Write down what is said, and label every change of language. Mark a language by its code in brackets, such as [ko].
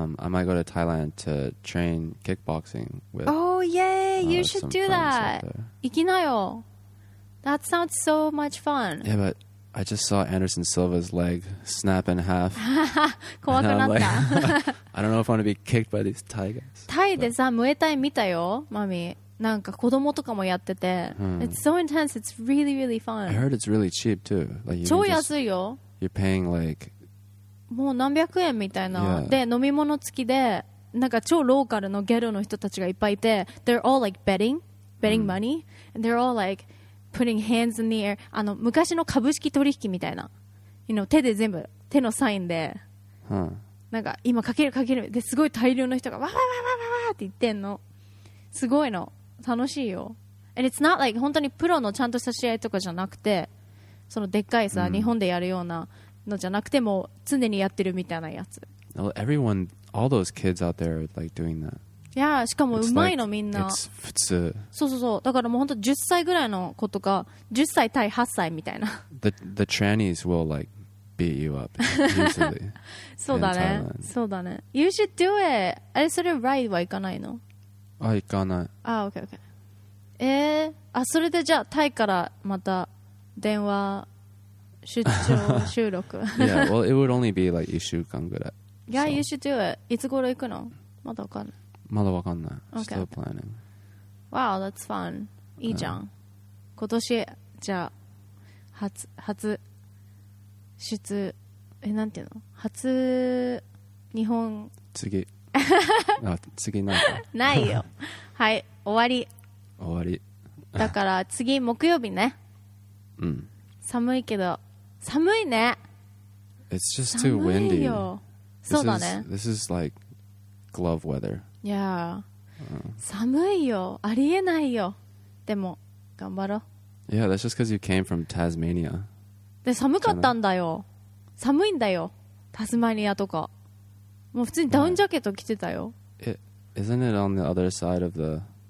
[en] I might go to Thailand to train kickboxing with. Oh yay! You should do that. [ja] 行きなよ。 [en] That sounds so much fun. Yeah, but. I just saw Anderson Silva's leg snap in half. [ja] 怖くなった。Like, [en] I don't know if I want to be kicked by these Thai guys. [ja] タイでさ、ムエタイ見たよ、マミ。なんか子供とかもやってて。 [en] It's so intense. It's really, really fun. I heard it's really cheap, too. [ja] Like, 超安いよ。 [en] You're paying, like... [ja] もう何百円みたいな。で、飲み物付きで、なんか超ローカルのギャルの人たちがいっぱいいて [en] they're all like betting money、 [ja] mm. [en] and they're all like putting hands in the air [ja] あの昔の株式取引みたいな you know, 手で全部手のサインで、huh. なんか今かけるかけるですごい大量の人がわわわわわわって言ってんのすごいの楽しいよ [en] and it's not like [ja] 本当にプロのちゃんとした試合とかじゃなくてそのでっかいさ、mm. 日本でやるようなのじゃなくても常にやってるみたいなやつ [en] well, everyone all those kids out there are like doing that [ja] yeah しかもうまいのみんな [en] it's 普通 [ja] そうそうそうだからもう本当10歳ぐらいの子とか10歳対8歳みたいな [en] the trannies will like beat you up [ja] そうだねそうだね [en] you should do it [ja] あれそれ ride は行かないのあ行かないあ OK OK あそれでじゃあタイからまた電話出張収録 [en] Yeah, well, it would only be like [ja] 1週間ぐらい Yeah,、so. [en] you should do it [ja] いつ頃行くのまだわかんないまだわかんない Okay. [en] Still planning Wow, that's fun [ja] いいじゃん、今年じゃあ初出なんていうの初日本次あ次ないかないよはい、終わり終わりだから次木曜日ねうん寒いけど寒いね。 [en] It's just too windy. [ja] そうだね。 [en] This is like glove weather. [ja] Yeah. 寒いよ。ありえないよ。でも、頑張ろう。 [en] Yeah, that's just because you came from Tasmania. [ja] で、寒かったんだよ。寒いんだよ。タスマニアとか。もう普通にダウンジャケット着てたよ。 [en] Isn't it on the other side of the...